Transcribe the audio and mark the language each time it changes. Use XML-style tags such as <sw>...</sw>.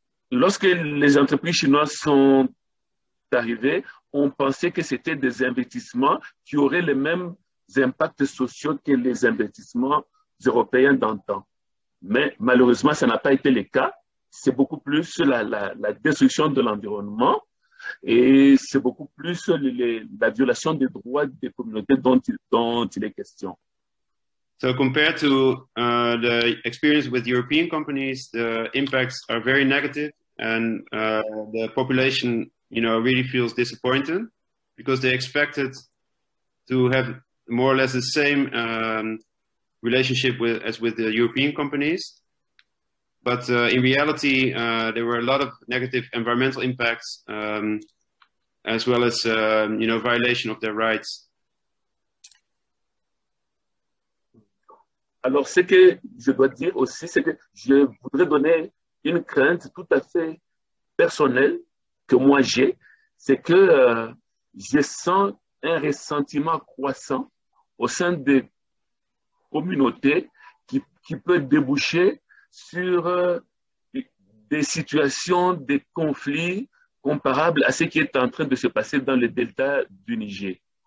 <fr>Lorsque les entreprises chinoises sont arrivées, on pensait que c'était des investissements qui auraient les mêmes impacts sociaux que les investissements européens d'antan. Mais malheureusement, ça n'a pas été le cas. C'est beaucoup plus la destruction de l'environnement et c'est beaucoup plus la violation des droits des communautés dont il est question.</fr> <en>So compared to the experience with European companies, the impacts are very negative and the population, you know, really feels disappointed because they expected to have more or less the same relationship with the European companies. But in reality, there were a lot of negative environmental impacts as well as, you know, violation of their rights.</en> <fr>Alors, ce que je dois dire aussi, c'est que je voudrais donner une crainte tout à fait personnelle que moi j'ai, c'est que je sens un ressentiment croissant au sein des communautés qui peut déboucher sur des situations, des conflits comparables à ce qui est en train de se passer dans le delta du Niger.</fr>